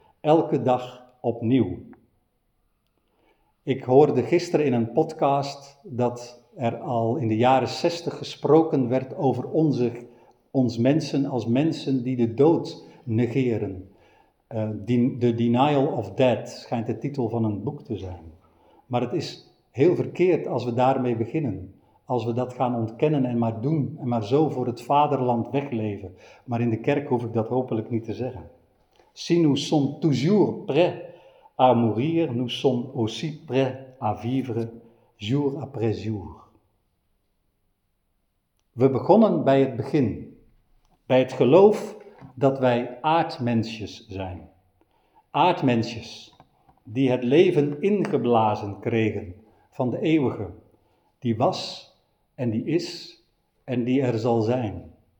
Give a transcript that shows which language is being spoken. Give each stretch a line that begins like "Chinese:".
Dutch: Elke dag opnieuw. Ik hoorde gisteren in een podcast dat er al in de jaren 60 gesproken werd over ons mensen als mensen die de dood negeren. The Denial of Death schijnt de titel van een boek te zijn. Maar het is heel verkeerd als we daarmee beginnen. Als we dat gaan ontkennen en maar doen en maar zo voor het vaderland wegleven. Maar in de kerk hoef ik dat hopelijk niet te zeggen.
French: Si nous sommes toujours prêts à mourir, nous sommes aussi prêts à vivre jour après jour.
Dutch: We begonnen bij het begin. Bij het geloof dat wij aardmensjes zijn. Aardmensjes die het leven ingeblazen kregen van de eeuwige, die was en die is en die er zal zijn.